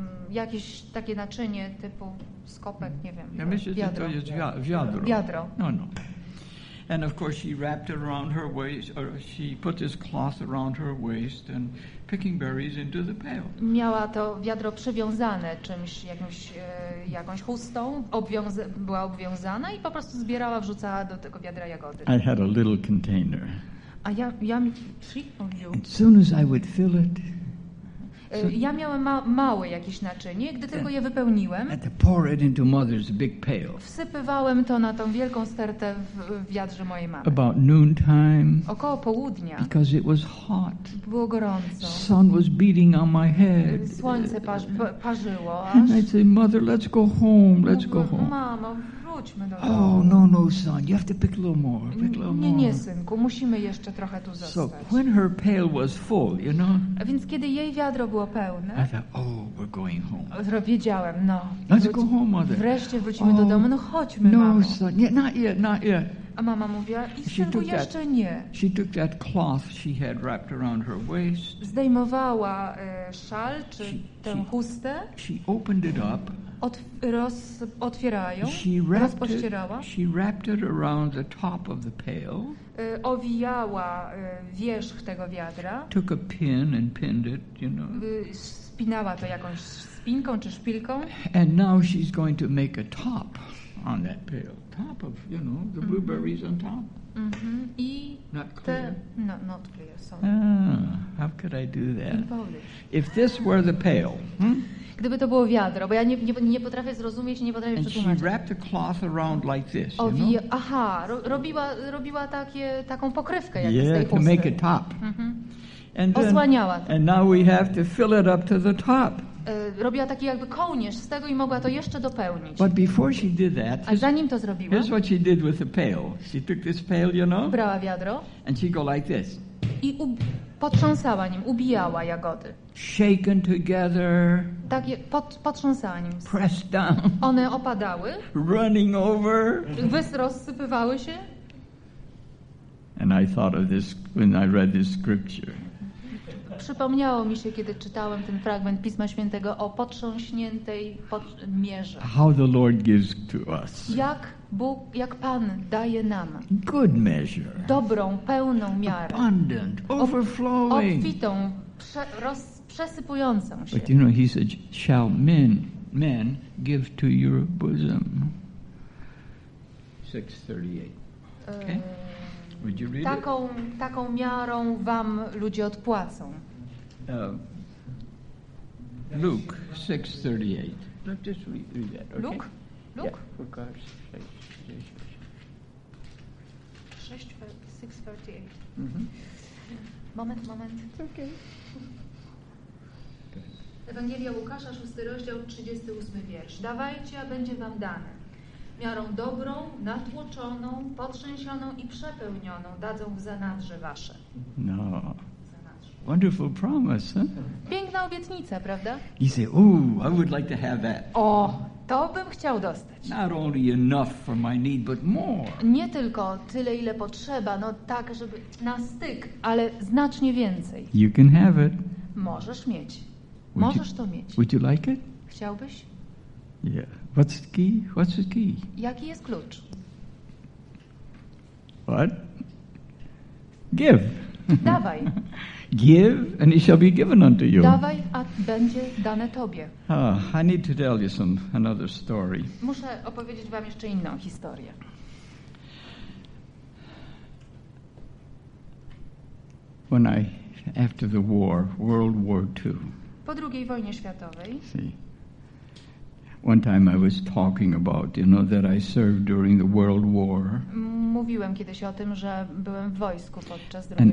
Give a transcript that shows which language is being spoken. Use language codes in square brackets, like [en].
[pl] Jakieś takie naczynie typu skopek, nie wiem. Ja myślę, że to jest wiadro. Wiadro. No. [en] And of course she wrapped it around her waist, or she put this cloth around her waist and picking berries into the pail. [pl] Miała to wiadro przywiązane czymś, jakąś chustą, była obwiązana i po prostu zbierała, wrzucała do tego wiadra jagody. [en] I had a little container. [pl] A ja mi przyjął. [en] As soon as I would fill it. [pl] Ja miałem małe jakieś naczynie, gdy tylko je wypełniłem, [en] pour it into mother's big pail. [pl] Wsypywałem to na tą wielką stertę w wiadrze mojej mamy. [en] About noon time, [pl] około południa, [en] because it was hot. [pl] Było gorąco. [en] Sun was beating on my head. [pl] Słońce parzyło. [en] And I'd say, mother, let's go home, let's go home. [pl] Mamo, wróćmy do domu. [en] Oh, no, son, you have to pick a little more, pick a little more. [pl] Nie, synku, musimy jeszcze trochę tu zostać. [en] So when her pail was full, you know. [pl] A więc kiedy jej wiadro było pełne. [en] I thought, oh, we're going home. [pl] Wiedziałem, no. [en] Let's go home, mother. [pl] Wreszcie wrócimy do domu. No chodźmy, no, mamo. [en] No, son, not yet. [pl] A mama mówiła, synku, jeszcze nie. [en] She took that cloth she had wrapped around her waist. [pl] Zdejmowała szal, czy tę chustę. [en] She opened it up. [pl] Otwierała ją. Rozpościerała. [en] She wrapped it around the top of the pail. [pl] Owijała wierzch tego wiadra. [en] Took a pin and pinned it, you know. [pl] Spinała to jakąś spinką czy szpilką. [en] And now she's going to make a top on that pail. Top of, you know, the blueberries on top. I not clear, sorry. Ah, how could I do that? If this were the pail, [pl] gdyby to było wiadro, bo ja nie potrafię zrozumieć, nie potrafię przetłumaczyć. [en] And she wrapped the cloth around like this, you know? [pl] Aha, robiła taką pokrywkę jak [en] yeah, [pl] z tej chusty. [en] To make a top. [pl] Osłaniała to. [en] And now we have to fill it up to the top. [pl] Robiła taki jakby kołnierz z tego i mogła to jeszcze dopełnić. [en] But before she did that, [pl] a zanim to zrobiła, [en] here's what she did with the pail. She took this pail, you know? [pl] Brała wiadro. [en] And she go like this. [pl] I potrząsała nim, ubijała jagody. [en] Shaken together. [pl] Tak je potrząsała nim. [en] Pressed down. [pl] One opadały. [en] Running over. [pl] Rozsypywały się. [en] And I thought of this when I read this scripture. [pl] Przypomniało mi się, kiedy czytałem ten fragment Pisma Świętego o potrząśniętej mierze. [en] How the Lord gives to us. [pl] Jak Bóg, jak Pan daje nam. [en] Good measure. [pl] Dobrą, pełną miarę. [en] Abundant, overflowing. [pl] Obfitą, przesypującą się. [en] But you know, he said, shall men give to your bosom? 6:38. Okay. Would you read [pl] taką, [en] it? [pl] Taką miarą wam ludzie odpłacą. [en] Luke 6:38. Let's just read that. Okay? Luke. Yeah, for God's sake. 6:38. [pl] Moment. Ewangelia Łukasza, 6 rozdział, 38 wiersz. Dawajcie, a będzie wam dane. Miarą dobrą, natłoczoną, potrzęsioną i przepełnioną dadzą w zanadrze wasze. [en] No. Wonderful promise, huh? [pl] Piękna obietnica, prawda? [en] He said, "Ooh, I would like to have that." [pl] O, to bym chciał dostać. [en] Not only enough for my need, but more. [pl] Nie tylko tyle, ile potrzeba, no tak, żeby na styk, ale znacznie więcej. [en] You can have it. [pl] Możesz mieć. Możesz to mieć. [en] Would you like it? [pl] Chciałbyś? [en] Yeah. What's the key? What's the key? [pl] Jaki jest klucz? [en] What? Give. [pl] Dawaj. [en] Give and it shall be given unto you. [pl] Dawaj, a będzie dane tobie. [en] Oh, I need to tell you another story. [pl] Muszę opowiedzieć wam jeszcze inną historię. [en] When I after the war, World War II. [pl] Po II wojnie światowej. [en] See, one time I was talking about, you know, that I served during the World War. [pl] Mówiłem kiedyś o tym, że byłem w wojsku podczas II